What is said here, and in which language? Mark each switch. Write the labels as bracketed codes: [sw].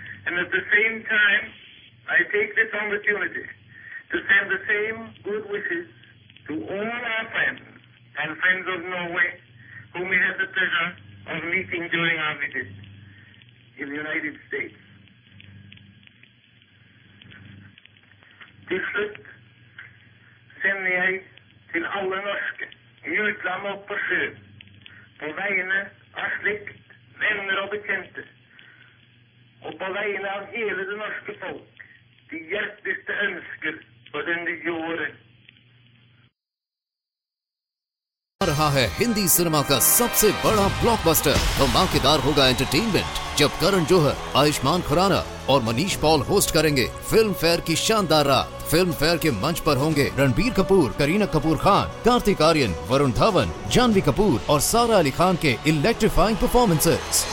[en] And at the same time, I take this opportunity to send the same good wishes to all our friends and friends of Norway whom we had the pleasure of meeting during our visit in the United States. [no] Till slut sender jeg til alle norske i utlandet og på sjø, på vegne av slekt, venner og bekjente, og på vegne av hele det norske folk, de hjerteligste ønsker for den nye året. [hi] रहा है Hindi cinema का सबसे बड़ा blockbuster, धमाकेदार होगा entertainment जब करण जौहर, आयुष्मान खुराना और Manish Paul host करेंगे फिल्म फेयर की शानदार रात। फिल्म फेयर के मंच पर होंगे रणबीर कपूर, करीना कपूर खान, कार्तिक आर्यन, वरुण धवन, जानवी कपूर और सारा अली खान के इलेक्ट्रिफाइंग परफॉर्मेंसेस।